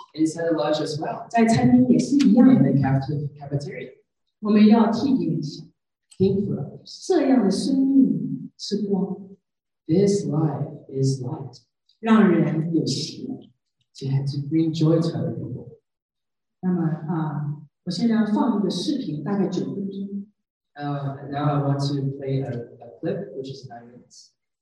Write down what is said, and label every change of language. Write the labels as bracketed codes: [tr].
[en] Inside the lodge as well. [zh] 在餐厅也是一样。 [en] In the cafeteria. [zh] 我们要替别人想。 [en] Think for others. [zh] 这样的生命是光。 [en] This life is light. [zh] 让人有喜乐。 [en] To bring joy to other people. [zh] 那么，我现在要放一个视频，大概9分钟。 [en] Now I want to play a clip, which is 9 minutes.